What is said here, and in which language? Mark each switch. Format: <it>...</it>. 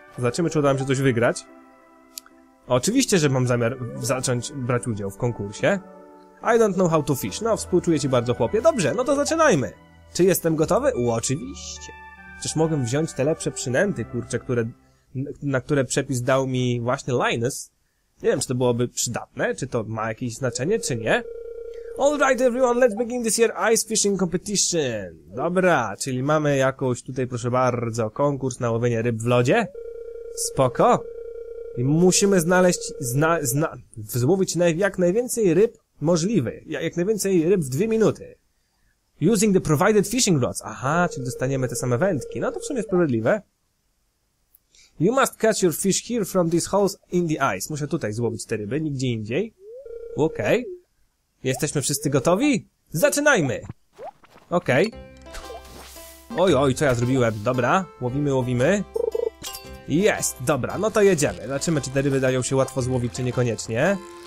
<pl>Zobaczymy, czy uda nam się coś wygrać. Oczywiście, że mam zamiar zacząć brać udział w konkursie.</pl> <en>I don't know how to fish.</en> <pl>No, współczuję ci bardzo, chłopie. Dobrze, no to zaczynajmy. Czy jestem gotowy? Oczywiście. Przecież mogłem wziąć te lepsze przynęty, kurczę, które, na które przepis dał mi właśnie Linus. Nie wiem, czy to byłoby przydatne, czy to ma jakieś znaczenie, czy nie.</pl> <en>Alright everyone, let's begin this year ice fishing competition.</en> <pl>Dobra, czyli mamy jakąś tutaj, proszę bardzo, konkurs na łowienie ryb w lodzie. Spoko. I musimy znaleźć, złowić jak najwięcej ryb możliwy. Jak najwięcej ryb w 2 minuty.</pl> <en>Using the provided fishing rods.</en> <pl>Aha, czyli dostaniemy te same wędki. No to w sumie sprawiedliwe.</pl> <en>You must catch your fish here from these holes in the ice.</en> <pl>Muszę tutaj złowić te ryby, nigdzie indziej. Okej. Okay. Jesteśmy wszyscy gotowi? Zaczynajmy! Okej. Okay. Oj, co ja zrobiłem? Dobra, łowimy. Jest, dobra, no to jedziemy. Zobaczymy, czy te ryby dają się łatwo złowić, czy niekoniecznie.</pl>